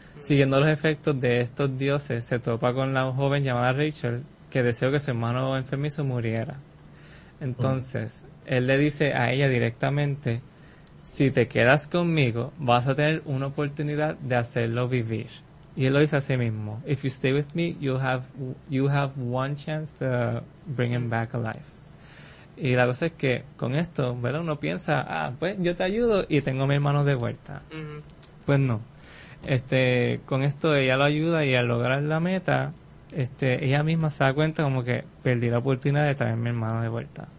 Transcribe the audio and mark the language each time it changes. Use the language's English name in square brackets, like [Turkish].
[Spanish] Siguiendo los efectos de estos dioses, se topa con la joven llamada Rachel, que deseó que su hermano enfermizo muriera. Entonces, él le dice a ella directamente, si te quedas conmigo, vas a tener una oportunidad de hacerlo vivir. Y él lo dice a sí mismo. [English] If you stay with me, you have one chance to bring him back alive. [Spanish] Y la cosa es que con esto, ¿verdad? Uno piensa, ah, pues yo te ayudo y tengo a mi hermano de vuelta. Mm-hmm. Pues no. Con esto ella lo ayuda y al lograr la meta, ella misma se da cuenta como que perdí la oportunidad de traer a mi hermano de vuelta.